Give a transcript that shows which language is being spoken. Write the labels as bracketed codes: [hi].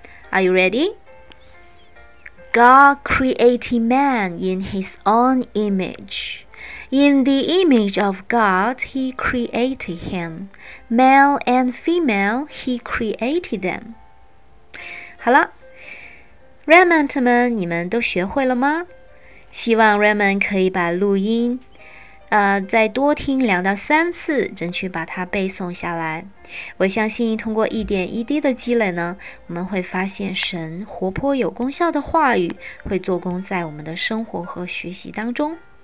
[en] Are you ready? God created man in his own image. In the image of God, he created him. Male and female, he created them. [zh] 好了， Raymond 们，你们都学会了吗？希望 Raymond 可以把录音再多听2到3次，争取把它背诵下来。我相信通过一点一滴的积累呢，我们会发现神活泼有功效的话语会做工在我们的生活和学习当中。